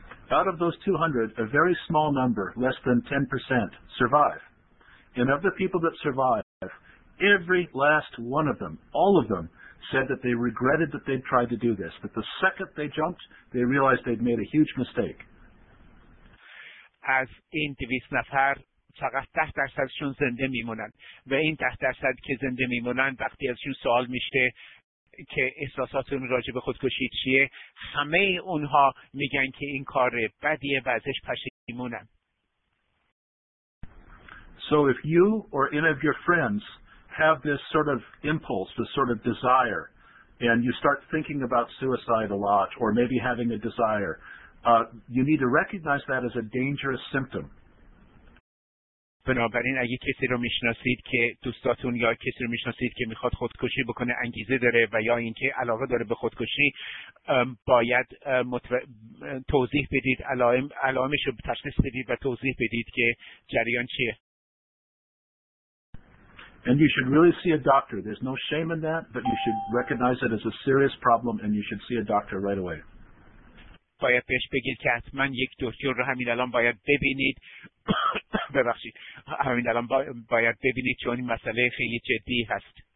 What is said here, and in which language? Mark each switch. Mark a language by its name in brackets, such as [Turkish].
[English] Out of those 200, a very small number, less than 10%, survive. And of the people that survive, every last one of them, all of them, said that they regretted that they'd tried to do this. But the second they jumped, they realized they'd made a huge mistake. [Persian] از این 200 نفر فقط 10% زنده میمونن و این 10% که زنده میمونن وقتی ازشون سوال میشه که احساساتون راجع به خودکشی چیه، همه اونها میگن که این کار بدیه و ازش پشیمونن. [English] So if you or any of your friends have this sort of impulse, this sort of desire, and you start thinking about suicide a lot or maybe having a desire, you need to recognize that as a dangerous symptom. [Persian] بنابراین اگه کسی رو میشناسید که دوستاتون یا کسی رو میشناسید که میخواد خودکشی بکنه، انگیزه داره و یا اینکه علاقه داره به خودکشی، باید توضیح بدید، علائمش رو تشخیص بدید و توضیح بدید که جریان چیه. [English] And you should really see a doctor. There's no shame in that, but you should recognize it as a serious problem and you should see a doctor right away. [Persian] باید پیش بگید که حتما یک دکتر رو همین الان باید ببینید. ببخشید. همین الان باید ببینید چون این مسئله خیلی جدی هست.